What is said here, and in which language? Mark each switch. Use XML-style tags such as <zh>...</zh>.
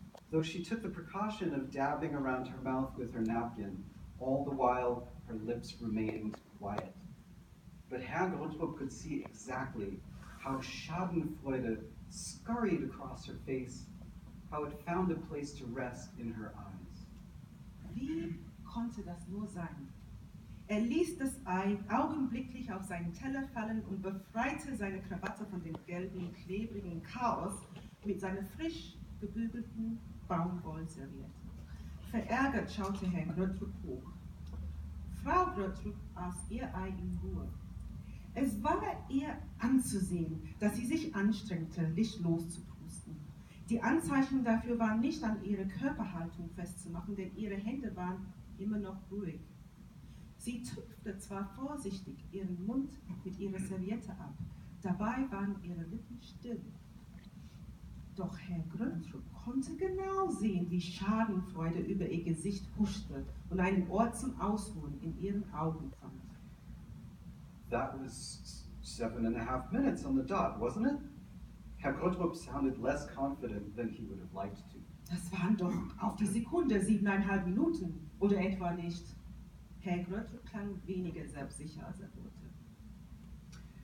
<en>Though she took the precaution of dabbing around her mouth with her napkin, all the while her lips remained quiet. But Herr Grutrück could see exactly how Schadenfreude scurried across her face, how it found a place to rest in her eyes.</en> <de>Wie konnte das nur sein? Er ließ das Ei augenblicklich auf seinen Teller fallen und befreite seine Krawatte von dem gelben, klebrigen Chaos mit seiner frisch gebügelten Baumwollserviette. Verärgert schaute Herr Grötrup hoch. Frau Grötrup aß ihr Ei in Ruhe. Es war ihr anzusehen, dass sie sich anstrengte, Licht loszupusten. Die Anzeichen dafür waren nicht an ihrer Körperhaltung festzumachen, denn ihre Hände waren immer noch ruhig. Sie tupfte zwar vorsichtig ihren Mund mit ihrer Serviette ab, dabei waren ihre Lippen still. Doch Herr Grötrup konnte genau sehen, wie Schadenfreude über ihr Gesicht huschte und einen Ort zum Ausruhen in ihren Augen fand.</de> <en>That was 7.5 minutes on the dot, wasn't it? Herr Grutrück sounded less confident than he would have liked to.</en> <de>Das waren doch auf die Sekunde 7.5 Minuten, oder etwa nicht? Herr Grutrück klang weniger selbstsicher, als er wollte.</de>